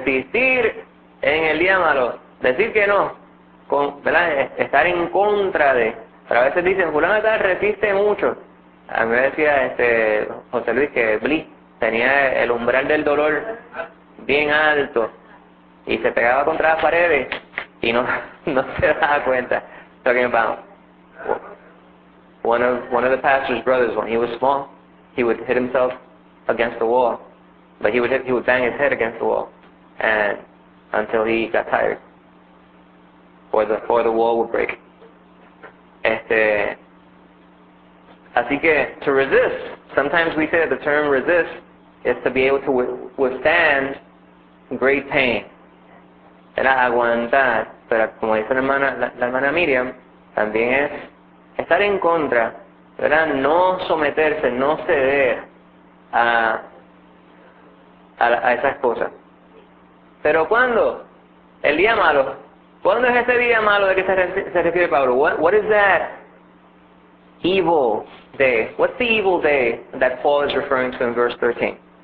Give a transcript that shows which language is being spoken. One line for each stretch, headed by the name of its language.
Spanish: Resistir en el día malo, decir que no, con, ¿verdad? Estar en contra de. Pero a veces dicen, fulano tal resiste mucho. A mí me decía José Luis que Bli tenía el umbral del dolor bien alto y se pegaba contra las paredes. Y no se da cuenta.
English: Talking about one of the pastor's brothers, when he was small, he would hit himself against the wall, but he would bang his head against the wall, and until he got tired, or the wall would break.
Spanish: Así que
English: to resist. Sometimes we say that the term resist is to be able to withstand great pain.
Spanish: Era aguantar. Pero como dice la hermana Miriam, también es estar en contra, ¿verdad? No someterse, no ceder a esas cosas. ¿Pero cuándo? El día malo. ¿Cuándo es ese día malo de que se refiere Pablo?
English: What is that evil day? What's the evil day that Paul is referring to in verse 13?